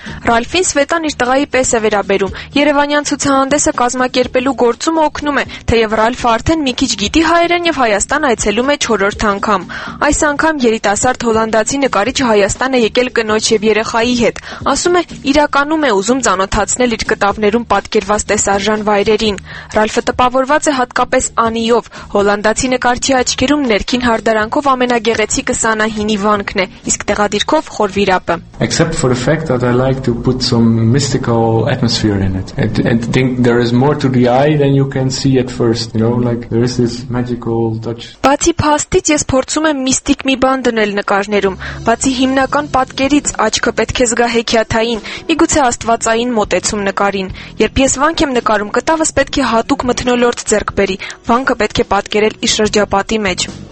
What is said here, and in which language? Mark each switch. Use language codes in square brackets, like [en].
[hy] Ռալֆին Սվետան իր տղայի պես է վերաբերում։ Երևանյան ցուցահանդեսը կազմակերպելու գործում օգնում է, թեև Ռալֆը արդեն մի քիչ գիտի հայերեն եւ Հայաստան այցելում է 4-րդ անգամ։ Այս անգամ երիտասարդ հոլանդացի նկարիչ Հայաստան է եկել կնոջ եւ երեխայի հետ։ Ասում է, իրականում է ուզում ճանաչել իր կտավներում պատկերված տեսարժան վայրերին։ Ռալֆը տպավորված է հատկապես Անիով։ Հոլանդացի նկարչի աչքերում ներքին հարդարանքով ամենագեղեցիկը 25-ի վանքն է, իսկ տեղադիրքով խորվիրապը։ [en] Except for the fact that I like to put some mystical atmosphere in it. And think there is more to the eye than you can see at first, you know, like there is this magical touch. [hy] Բացի փաստից ես փորձում եմ միստիկ մի բան դնել նկարներում, բացի հիմնական պատկերից աչքը պետք է զգա հեքիաթային, միգուցե աստվածային մոտեցում նկարին։ Երբ ես վանք եմ նկարում, կտավս պետք է հատուկ մթնոլորտ ձեռք բերի, վանքը պետք է պատկերել իր շրջապատի մեջ։